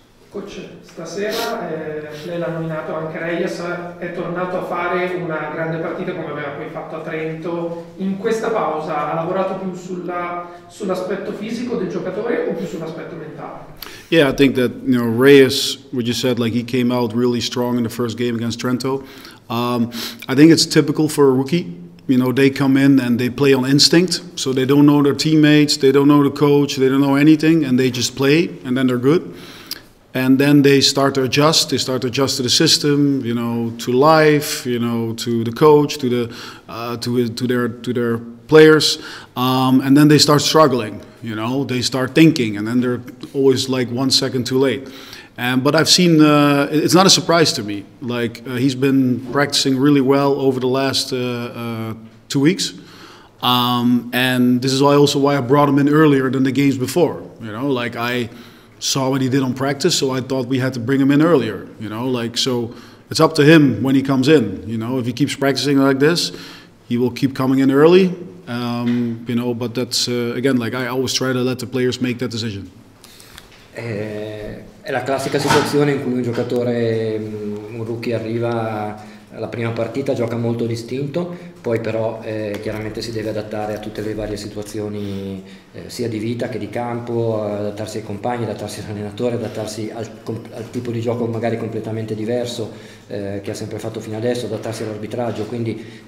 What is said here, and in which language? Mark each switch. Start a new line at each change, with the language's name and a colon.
Italian: Coach, stasera lei l'ha nominato anche Reyes, è tornato a fare una grande partita come aveva poi fatto a Trento. In questa pausa ha lavorato più sull'aspetto fisico del giocatore o più sull'aspetto mentale?
English: Yeah, I think that, you know, Reyes, what you said, like he came out really strong in the first game against Trento. I think it's typical for a rookie. You know, they come in and they play on instinct, so they don't know their teammates, they don't know the coach, they don't know anything, and they just play, and then they're good. And then they start to adjust to the system, you know, to life, you know, to the coach, to their players, and then they start struggling, you know, they start thinking, and then they're always like 1 second too late. But I've seen, it's not a surprise to me, like he's been practicing really well over the last 2 weeks. And this is also why I brought him in earlier than the games before. You know, like I saw what he did on practice, so I thought we had to bring him in earlier. You know, like, so it's up to him when he comes in. You know, if he keeps practicing like this, he will keep coming in early. You know, but that's, again, like I always try to let the players make that decision.
Italian: È la classica situazione in cui un giocatore, un rookie, arriva alla prima partita, gioca molto distinto, poi però chiaramente si deve adattare a tutte le varie situazioni sia di vita che di campo, adattarsi ai compagni, adattarsi all'allenatore, adattarsi al tipo di gioco magari completamente diverso che ha sempre fatto fino adesso, adattarsi all'arbitraggio, quindi